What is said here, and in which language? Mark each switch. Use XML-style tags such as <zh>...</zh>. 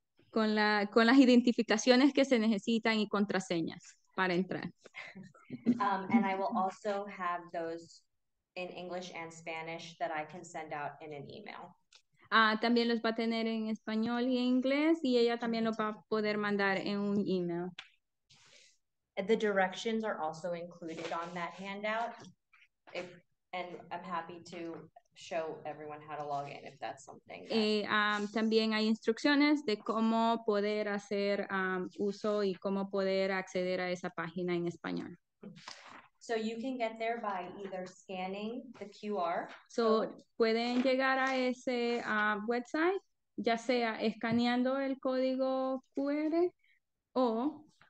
<es>Con la, con las identificaciones que se necesitan y contraseñas para entrar.</es> <en>And I will also have those in English and Spanish that I can send out in an email.</en> <es>También los va a tener en español y en inglés, y ella también los va a poder mandar en un email.</es> <en>The directions are also included on that handout. If, and I'm happy to show everyone how to log in if that's something.</en> <es>También hay instrucciones de cómo poder hacer uso y cómo poder acceder a esa página en español.</es> <en>So you can get there by either scanning the QR.</en> <es>So pueden llegar a ese website, ya sea escaneando el código QR o...</es>